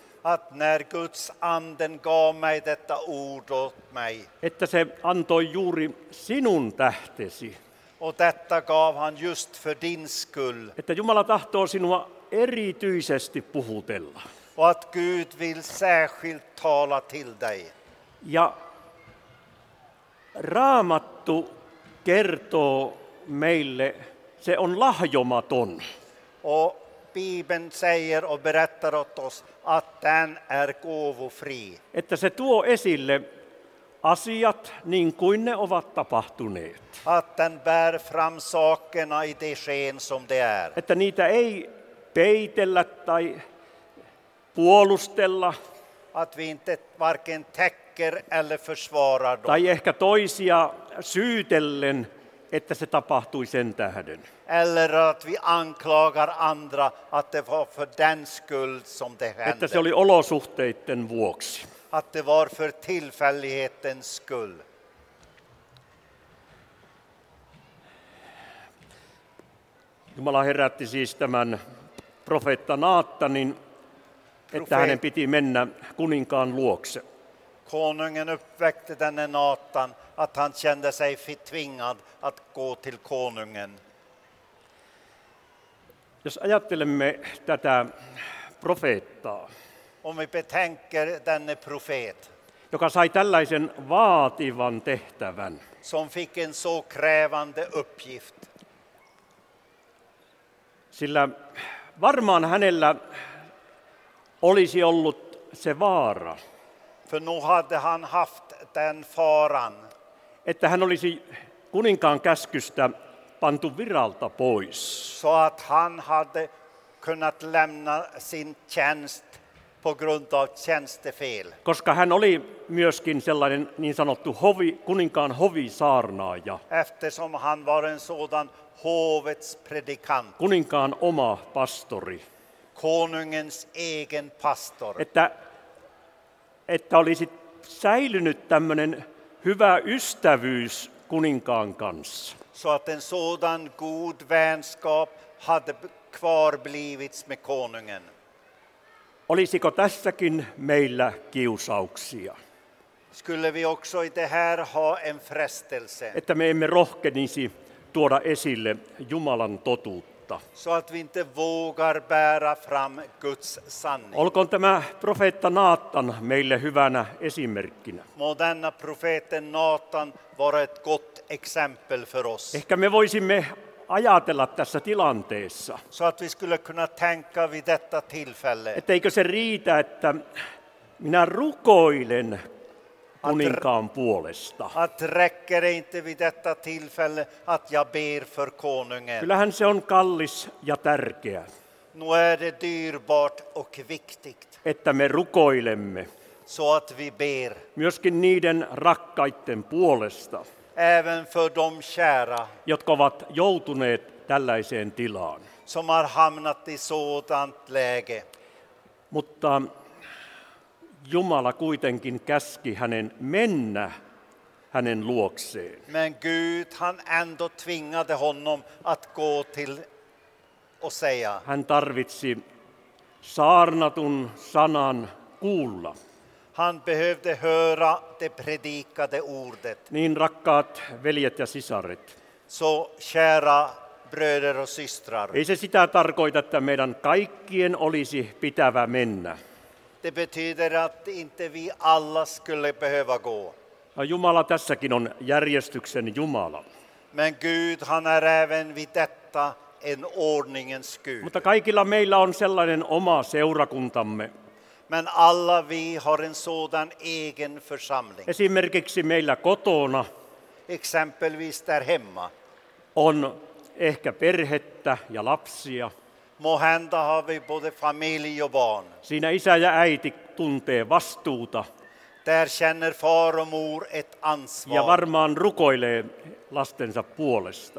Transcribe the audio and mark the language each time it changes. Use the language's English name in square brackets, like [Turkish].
[Swedish] Att när Guds anden gav mig detta ord åt mig. [Finnish] Että se antoi juuri sinun tähtesi. [Swedish] Och detta gav han just för din skull. [Finnish] Että Jumala tahtoo sinua erityisesti puhutella. [Swedish] Och att Gud vill särskilt tala till dig. [Finnish] Ja Raamattu kertoo meille, se on lahjomaton. [Swedish] Och Bibeln säger och berättar åt oss att den är gåvofri. [Finnish] Että se tuo esille asiat niin kuin ne ovat tapahtuneet. [Swedish] Att den bär fram sakerna i det sken som det är. [Finnish] Että niitä ei peitellä tai puolustella. [Swedish] Att vi inte varken täcker eller försvarar dem. [Finnish] Tai ehkä toisia syytellen, että se tapahtui sen tähden. [Swedish] Eller att vi anklagar andra att det var för den skull som det hände. [Finnish] Että se oli olosuhteiden vuoksi. [Swedish] Att det var för tillfällighetens skull. [Finnish] Jumala herätti siis tämän profeetta Naatanin, että hänen piti mennä kuninkaan luokse. [Swedish] Konungen uppväckte denne Natan, att han kände sig tvingad att gå till konungen. [Finnish] Jos ajattelemme tätä profeettaa. [Swedish] Om vi betänker denne profet. [Finnish] Joka sai tällaisen vaativan tehtävän. [Swedish] Som fick en så krävande uppgift. [Finnish] Sillä varmaan hänellä olisi ollut se vaara. [Swedish] För nu hade han haft den faran. [Finnish] Että hän olisi kuninkaan käskystä pantu viralta pois. [Swedish] Så att han hade kunnat lämna sin tjänst på grund av tjänstefel. [Finnish] Koska hän oli myöskin sellainen niin sanottu kuninkaan hovisaarnaaja. [Swedish] Eftersom han var en sådan hovets predikant. [Finnish] Kuninkaan oma pastori. [Swedish] Konungens egen pastor. [Finnish] Että olisi säilynyt tämmöinen hyvä ystävyys kuninkaan kanssa. [Swedish] så att en sådan god vänskap hade kvarblivits med konungen. [Finnish] Olisiko tässäkin meillä kiusauksia? [Swedish] Skulle vi också i det här ha en frestelse? [Finnish] Että me emme rohkenisi tuoda esille Jumalan totuutta. [Swedish] Så att vi inte vågar bära fram Guds sanning. [Finnish] Olkoon tämä profeetta Naatan meille hyvänä esimerkkinä. [Swedish] Må denna profeten Naatan vara ett gott exempel för oss. [Finnish] Ehkä me voisimme ajatella tässä tilanteessa. [Swedish] Så att vi skulle kunna tänka vid detta tillfälle. [Finnish] Etteikö se riitä, että minä rukoilen kuninkaan puolesta. [Swedish] Att räcker det inte vid detta tillfälle att jag ber för konungen. [Finnish] Kyllähän se on kallis ja tärkeä. [Swedish] Nu är det dyrbart och viktigt. [Finnish] Että me rukoilemme. [Swedish] Så att vi ber. [Finnish] Myöskin niiden rakkaiden puolesta. [Swedish] Även för de kära. [Finnish] Jotka ovat joutuneet tällaiseen tilaan. [Swedish] Som har hamnat i sådant läge. [Finnish] Mutta Jumala kuitenkin käski hänen mennä hänen luokseen. [Swedish] Men Gud han ändå tvingade honom att gå till Osea. [Finnish] Hän tarvitsi saarnatun sanan kuulla. [Swedish] Han behövde höra det predikade ordet. [Finnish] Niin rakkaat veljet ja sisaret. [Swedish] Så kära bröder och systrar. [Finnish] Ei se sitä tarkoita, että meidän kaikkien olisi pitävä mennä. [Swedish] Det betyder att inte vi alla skulle behöva gå. [Finnish] Ja Jumala tässäkin on järjestyksen Jumala. [Swedish] Men Gud han är även vid detta en ordningens Gud. [Finnish] Mutta kaikilla meillä on sellainen oma seurakuntamme. [Swedish] Men alla vi har en sådan egen församling. [Finnish] Esimerkiksi meillä kotona. [Swedish] Exempelvis där hemma. [Finnish] On ehkä perhettä ja lapsia. [Swedish] Måhända har vi både familj och barn. [Finnish] Siinä isä ja äiti tuntee vastuuta. [Swedish] Där känner far och mor ett ansvar. [Finnish] Ja varmaan rukoilee lastensa puolesta.